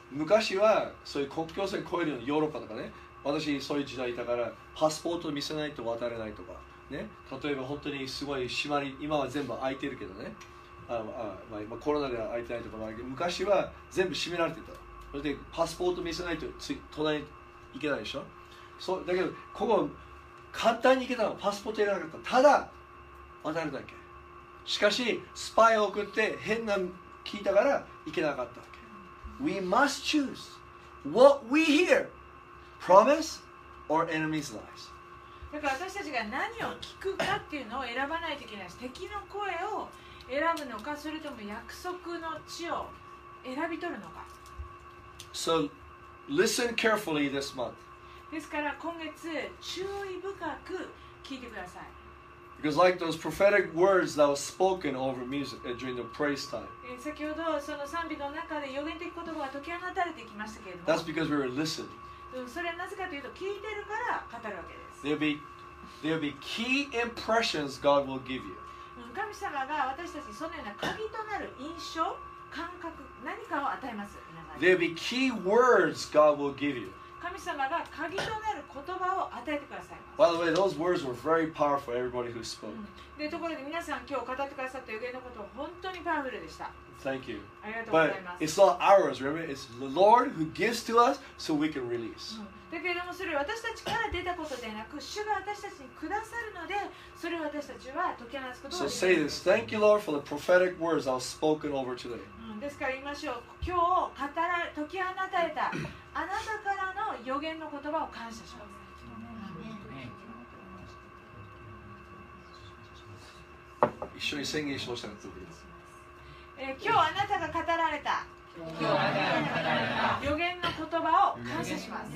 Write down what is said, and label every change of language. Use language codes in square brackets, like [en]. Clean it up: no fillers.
[ja] 昔はそういう国境線越えるのヨーロッパとかね、私そういう時代いたからパスポート見せないと渡れないとかね、例えば本当にすごい島に、今は全部空いてるけどね、まあ、コロナでは空いてないとかもあるけど、昔は全部閉められてた。それでパスポート見せないと隣に行けないでしょ。そうだけどここ簡単に行けたの、パスポートいらなかった、ただ渡るだけ。しかしスパイを送って変なの聞いたから行けなかった。 [en] We must choose what we hear, promise or enemy's lies. [ja] だから私たちが何を聞くかっていうのを選ばないといけないし、敵の声を選ぶのか、それとも約束の地を選び取るのか。 [en] So listen carefully this month. [ja] ですから今月注意深く聞いてください。 [en] Because like those prophetic words that were spoken over music during the praise time. [ja] 先ほどその賛美の中で予言的言葉が解き放たれてきましたけれども。 [en] That's because we were listening. [ja] それはなぜかというと聞いてるから語るわけです。 [en] There'll be key impressions God will give you. [ja] 神様が私たちにそのような鍵となる印象、感覚、何かを与えます。 [en] There'll be key words God will give you. [ja] 神様が鍵となる言葉を与えてくださいます。 [en] By the way, those words were very powerful, everybody who spoke.、 [ja] うん、で、ところで皆さん今日語ってくださった予言のこと、本当にパワフルでした。 [en] Thank you. [ja] ありがとうございます。 [en] But it's not ours, remember? It's the Lord who gives to us so we can release.、 [ja] うん、だけどもそれは私たちから出たことではなく、主が私たちにくださるので、それを私たちは解き放つことができます。 [en] So say this. Thank you, Lord, for the prophetic words I've spoken over today.、うん、 [ja] ですから言いましょう、今日語ら解き放たれたあなたからの予言の言葉を感謝します。一緒に宣言しましたね、今日あなたが語られた予言の言葉を感謝します。